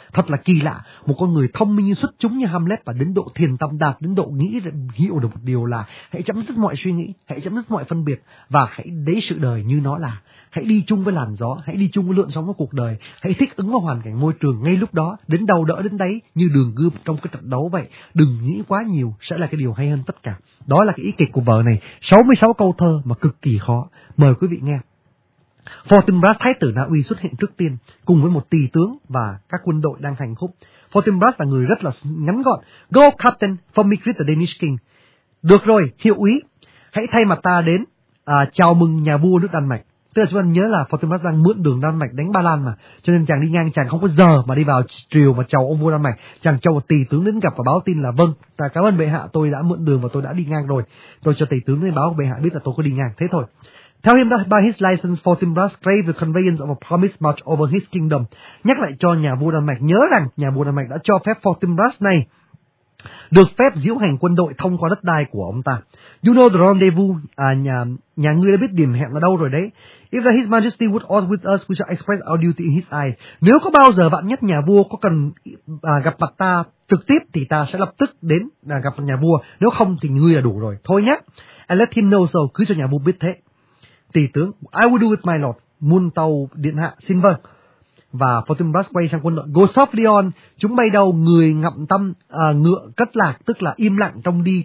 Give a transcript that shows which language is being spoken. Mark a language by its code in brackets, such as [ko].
[vi] Thật là kỳ lạ, một con người thông minh như xuất chúng như Hamlet và đến độ thiền tâm, đạt đến độ nghĩ hiểu được một điều là hãy chấm dứt mọi suy nghĩ, hãy chấm dứt mọi phân biệt và hãy lấy sự đời như nó là, hãy đi chung với làn gió, hãy đi chung với lượn sóng của cuộc đời, hãy thích ứng với hoàn cảnh môi trường ngay lúc đó, đến đâu đỡ đến đấy, như đường gươm trong cái trận đấu vậy. Đừng nghĩ quá nhiều sẽ là cái điều hay hơn tất cả. Đó là cái ý kịch của vở này, 66 câu thơ mà cực kỳ khó. Mời quý vị nghe. Fortinbras, thái tử Na Uy, xuất hiện trước tiên cùng với một tỳ tướng và các quân đội đang hành khúc. Fortinbras là người rất là ngắn gọn. [en] Go captain, for me greet the Danish king. [vi] Được rồi, hiệu úy, hãy thay mặt ta đến chào mừng nhà vua nước Đan Mạch. Tức là chúng ta nhớ là Fortinbras đang mượn đường Đan Mạch đánh Ba Lan mà, cho nên chàng đi ngang, chàng không có giờ mà đi vào triều mà chào ông vua Đan Mạch. Chàng cho một tỳ tướng đến gặp và báo tin là vâng, ta cảm ơn bệ hạ, tôi đã mượn đường và tôi đã đi ngang rồi. Tôi cho tỳ tướng đến báo bệ hạ biết là tôi có đi ngang, thế thôi. [en] Tell him that by his license for Simbras crave the conveyance of a promise much over his kingdom. [vi] Nhắc lại cho nhà vua Đan Mạch nhớ rằng nhà vua Đan Mạch đã cho phép for Simbras này được phép diễu hành quân đội thông qua đất đai của ông ta. [en] You know the rendezvous, [vi] nhà ngươi đã biết điểm hẹn ở đâu rồi đấy. [en] If that his majesty would order with us, we shall express our duty in his eyes. [vi] Nếu có bao giờ vạn nhất nhà vua có cần gặp mặt ta trực tiếp thì ta sẽ lập tức đến gặp nhà vua, nếu không thì ngươi là đủ rồi. Thôi nhé. [en] And let him know so, [vi] cứ cho nhà vua biết thế. Tỷ tướng, [en] I will do with my lord, [vi] muôn tàu điện hạ, xin vâng. Và Fortinbras quay sang quân đội. [en] Go softly on, [vi] chúng bay đầu, người ngậm tâm, ngựa cất lạc, tức là im lặng trong đi.